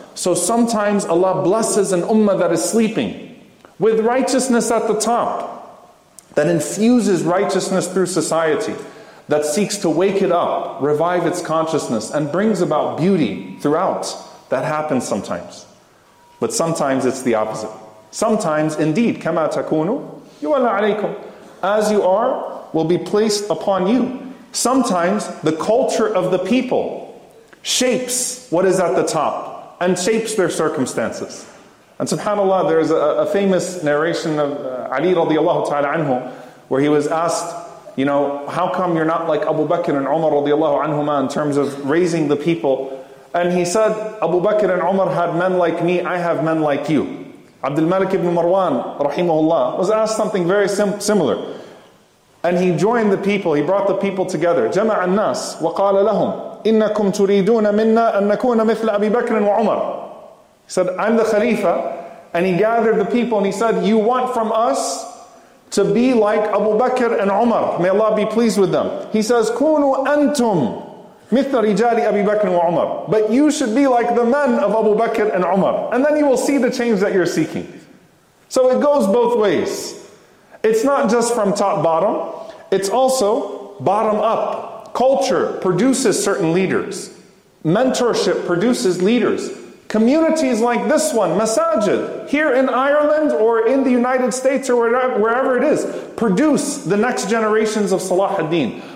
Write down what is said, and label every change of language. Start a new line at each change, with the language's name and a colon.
English: So sometimes Allah blesses an ummah that is sleeping with righteousness at the top, that infuses righteousness through society, that seeks to wake it up, revive its consciousness, and brings about beauty throughout. That happens sometimes. But sometimes it's the opposite. Sometimes indeed,
Arabic: كَمَا تَكُونُ يُوَلَّى عَلَيْكُمْ.
English: As you are, will be placed upon you. Sometimes the culture of the people shapes what is at the top and shapes their circumstances. And subhanAllah, there is a famous narration of Ali radiallahu ta'ala anhu, where he was asked, you know, how come you're not like Abu Bakr and Umar radiallahu anhuma in terms of raising the people? And he said, Abu Bakr and Umar had men like me, I have men like you. Abdul Malik ibn Marwan rahimahullah was asked something very similar. And he joined the people, he brought the people together.
Arabic: جَمَعَ النَّاسِ وَقَالَ لَهُمْ إِنَّكُمْ تُرِيدُونَ مِنَّا أَن نَكُونَ مِثْلَ أَبِي بَكْرٍ وَعُمَرٍ.
English: He said, I'm the Khalifa. And he gathered the people and he said, you want from us to be like Abu Bakr and Umar. May Allah be pleased with them. He says,
Arabic: كُونُوا أَنْتُمْ مِثْلَ رِجَالِ أَبِي بَكْرٍ وَعُمَرٍ.
English: But you should be like the men of Abu Bakr and Umar. And then you will see the change that you're seeking. So it goes both ways. It's not just from top bottom. It's also bottom up. Culture produces certain leaders. Mentorship produces leaders. Communities like this one, Masajid, here in Ireland or in the United States or wherever it is, produce the next generations of Salah ad-Din.